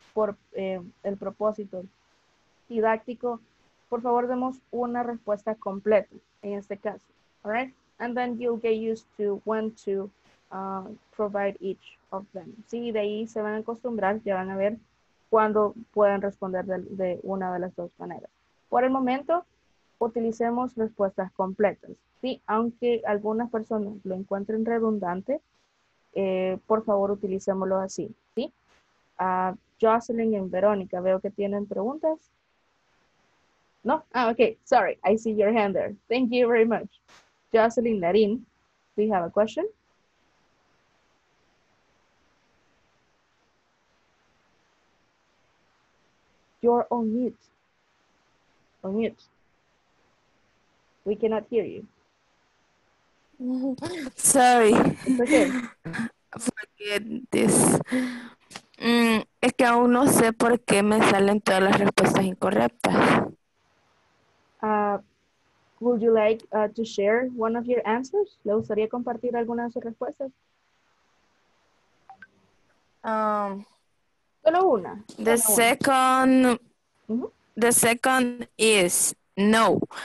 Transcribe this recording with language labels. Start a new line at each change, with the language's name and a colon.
Spanish: Por el propósito didáctico, por favor, demos una respuesta completa en este caso,
English: all right? And then you'll get used to when to provide each of them.
Spanish: Sí, de ahí se van a acostumbrar, ya van a ver cuando puedan responder de una de las dos maneras. Por el momento, utilicemos respuestas completas. ¿Sí? Aunque algunas personas lo encuentren redundante, por favor, utilicémoslo así. ¿Sí? Jocelyn y Verónica, veo que tienen preguntas. ¿No? Ah, ok.
English: Sorry, I see your hand there. Thank you very much. Jocelyn Larín, do you have a question? You are on mute. On mute. We cannot hear you. Sorry. It's okay. Forget this.
Spanish: Es que aún no sé por qué me salen todas las respuestas incorrectas.
English: Would you like to share one of your answers?
Spanish: ¿Le gustaría compartir alguna de sus respuestas? Solo una.
English: The second mm-hmm. The second is no.